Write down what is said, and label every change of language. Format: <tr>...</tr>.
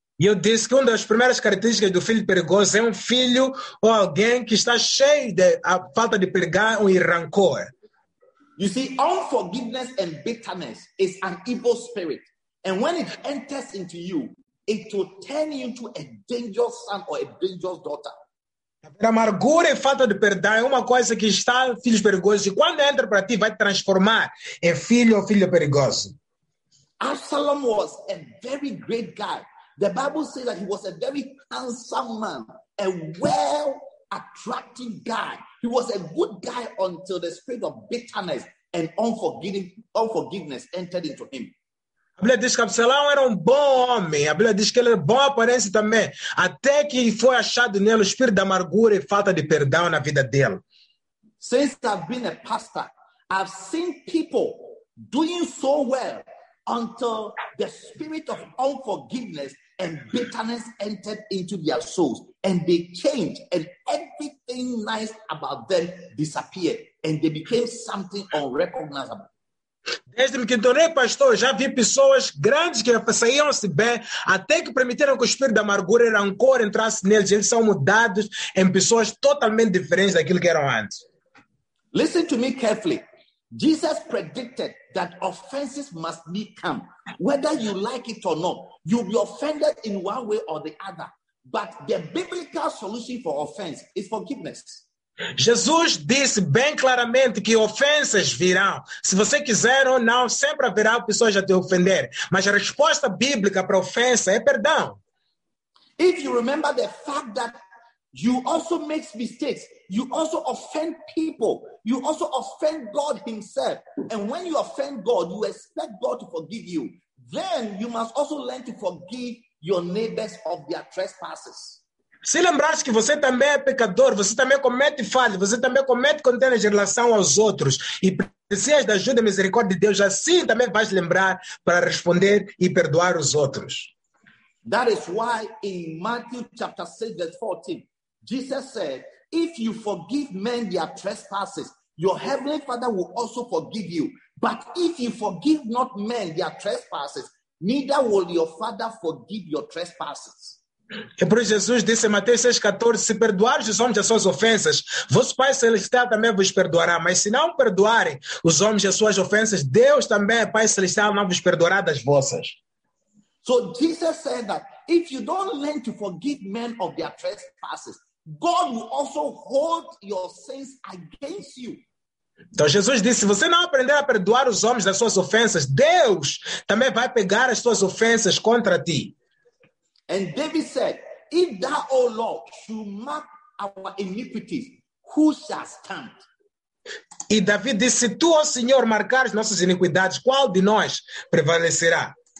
<pt>E eu disse que uma das primeiras características do filho perigoso é filho ou alguém que está cheio de a falta de perdão e rancor.</pt> <en>You see, unforgiveness and bitterness is an evil spirit. And when it enters into you, it will turn you into a dangerous son or a dangerous daughter.</en> <pt>A amargura e falta de perdão é uma coisa que está em filhos perigosos. E quando entra para ti, vai te transformar em filho ou filho perigoso.</pt> <en>Absalom was a very great guy. The Bible says that he was a very handsome man, a well attractive guy. He was a good guy until the spirit of bitterness and unforgiveness entered into him.</en> <pt>A Bíblia diz que Absalão era bom homem. A Bíblia diz que ele era bom aparência também. Até que foi achado nele o espírito da amargura e falta de perdão na vida dele.</pt> <en>Since I've been a pastor, I've seen people doing so well until the spirit of unforgiveness and bitterness entered into their souls and they changed and everything nice about them disappeared and they became something unrecognizable.</en> <pt>Desde que tornei pastor, já vi pessoas grandes que saíam-se bem até que permitiram que o espírito da amargura e rancor entrasse neles. Eles são mudados em pessoas totalmente diferentes daquilo que eram antes.</pt> <en>Listen to me carefully. Jesus predicted that offenses must be come. Whether you like it or not, you'll be offended in one way or the other. But the biblical solution for offense is forgiveness.</en> <pt>Jesus disse bem claramente que ofensas virão. Se você quiser ou não, sempre haverá pessoas a te ofender. Mas a resposta bíblica para ofensa é perdão.</pt> <en>If you remember the fact that you also make mistakes, you also offend people, you also offend God himself. And when you offend God, you expect God to forgive you. Then you must also learn to forgive your neighbors of their trespasses.</en> <pt>Se lembrar que você também é pecador, você também comete falhas, você também comete contendas em relação aos outros e precisa da ajuda e misericórdia de Deus, assim também vais lembrar para responder e perdoar os outros.</pt> <en>That is why in Matthew chapter 6, verse 14, Jesus said, if you forgive men their trespasses, your heavenly Father will also forgive you. But if you forgive not men their trespasses, neither will your Father forgive your trespasses.</en> <pt>É por isso Jesus disse em Mateus 6,14, se perdoares os homens as suas ofensas, vosso Pai Celestial também vos perdoará. Mas se não perdoarem os homens as suas ofensas, Deus também, Pai Celestial, não vos perdoará das vossas.</pt> <en>So Jesus said that if you don't learn to forgive men of their trespasses, God will also hold your sins against you.</en> <pt>Então Jesus disse, se você não aprender a perdoar os homens das suas ofensas, Deus também vai pegar as suas ofensas contra ti.</pt> <en>And David said, if thou, O Lord, should mark our iniquities, who shall stand?</en> <pt>E David disse, se tu, ó Senhor, marcares nossas iniquidades, qual de nós prevalecerá?</pt>